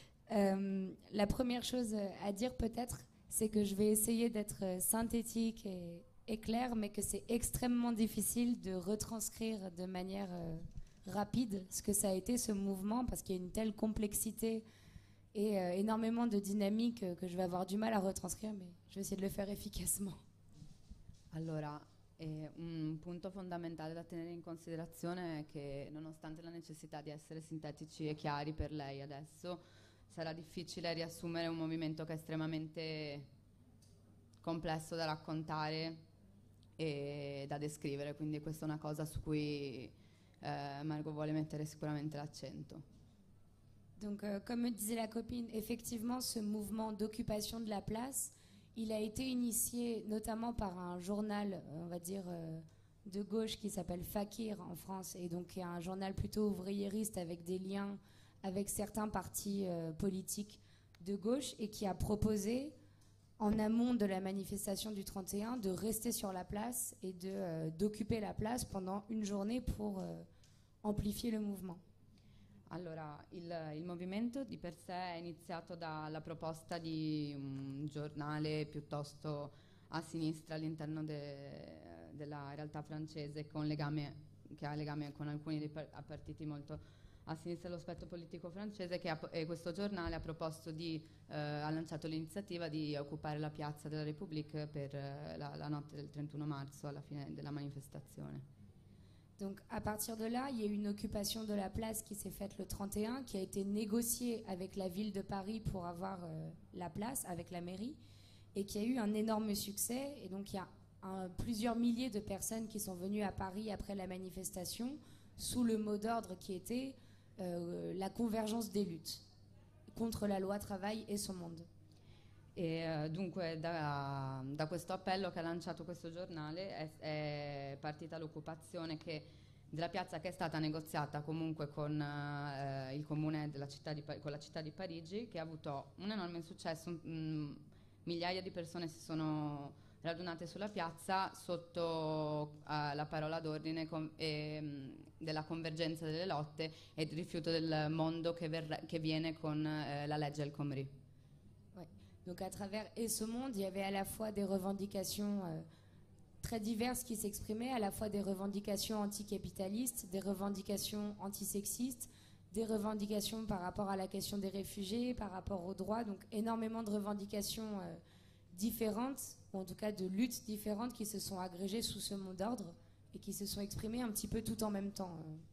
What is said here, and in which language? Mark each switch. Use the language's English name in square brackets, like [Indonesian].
[French] La première chose à dire peut-être, c'est que je vais essayer d'être synthétique et claire, mais que c'est extrêmement difficile de retranscrire de manière rapide ce que ça a été ce mouvement, parce qu'il y a une telle complexité et énormément de dynamique que je vais avoir du mal à retranscrire, mais je vais essayer de le faire efficacement. [Italian] Allora, un punto fondamentale da tenere in considerazione è che, nonostante la necessità di essere sintetici e chiari per lei adesso, sarà difficile riassumere un movimento che è estremamente complesso da raccontare e da descrivere, quindi questa è una cosa su cui Margot vuole mettere sicuramente l'accento. [French] Donc, comme me disait la copine, effectivement, ce mouvement d'occupation de la place, il a été initié notamment par un journal, on va dire, de gauche qui s'appelle Fakir en France, et donc qui est un journal plutôt ouvriériste avec des liens avec certains partis politiques de gauche, et qui a proposé, en amont de la manifestation du 31, de rester sur la place et d'occuper la place pendant une journée pour amplifier le mouvement. [Italian] Allora, il movimento di per sé è iniziato dalla proposta di un giornale piuttosto a sinistra all'interno della realtà francese, che ha legame con alcuni dei partiti molto a sinistra dello spettro politico francese, e questo giornale ha proposto ha lanciato l'iniziativa di occupare la piazza della République per la notte del 31 marzo, alla fine della manifestazione. [French] Donc, à partir de là, il y a eu une occupation de la place qui s'est faite le 31, qui a été négociée avec la ville de Paris pour avoir la place, avec la mairie, et qui a eu un énorme succès. Et donc, il y a plusieurs milliers de personnes qui sont venues à Paris après la manifestation, sous le mot d'ordre qui était la convergence des luttes contre la loi travail et son monde. [Italian] E dunque da questo appello che ha lanciato questo giornale è partita l'occupazione della piazza, che è stata negoziata comunque con il comune della città con la città di Parigi, che ha avuto un enorme successo. Migliaia di persone si sono radunate sulla piazza sotto la parola d'ordine della convergenza delle lotte e del rifiuto del mondo che viene con la legge El Khomri. [French] Donc à travers et ce monde, il y avait à la fois des revendications très diverses qui s'exprimaient, à la fois des revendications anticapitalistes, des revendications antisexistes, des revendications par rapport à la question des réfugiés, par rapport aux droits, donc énormément de revendications différentes, ou en tout cas de luttes différentes qui se sont agrégées sous ce mot d'ordre et qui se sont exprimées un petit peu tout en même temps.